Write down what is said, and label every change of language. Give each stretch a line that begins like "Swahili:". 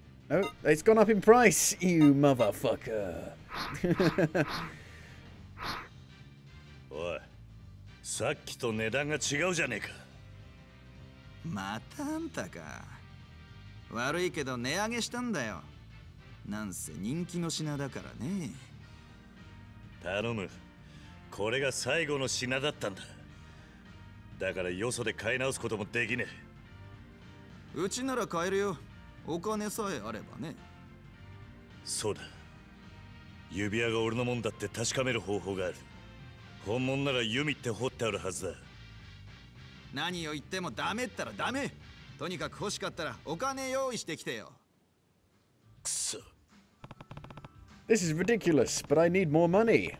English: No, it's gone up in price, you motherfucker.
Japanese: Oi, さっきと値段が違うじゃねえか。またあんたか。悪いけど値上げしたんだよ。なんせ人気の品だからね。頼む。これが最後の品だったんだ。だからよそで買い直すこともできねえ。うちなら買えるよ。お金さえあればね。そうだ。指輪が俺のもんだって確かめる方法がある。本物なら弓って掘ってあるはずだ。何を言ってもダメったらダメ。とにかく欲しかったらお金用意してきてよ。くそ。
English: This is ridiculous, but I need more money.